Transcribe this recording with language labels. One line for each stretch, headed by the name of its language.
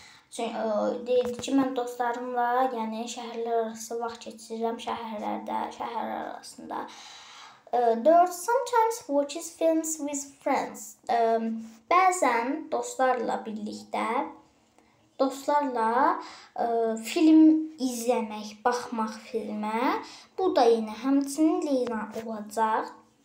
Azerbaijani: Çünki deyirdi ki, mən dostlarımla, yəni şəhərlər arası vaxt keçirirəm şəhərlərdə, şəhər arasında. 4.
English: Sometimes watches films with friends.
Azerbaijani: Bəzən dostlarla birlikdə, dostlarla film izləmək, baxmaq filmə. Bu da yenə həmçinin Leyla olacaq.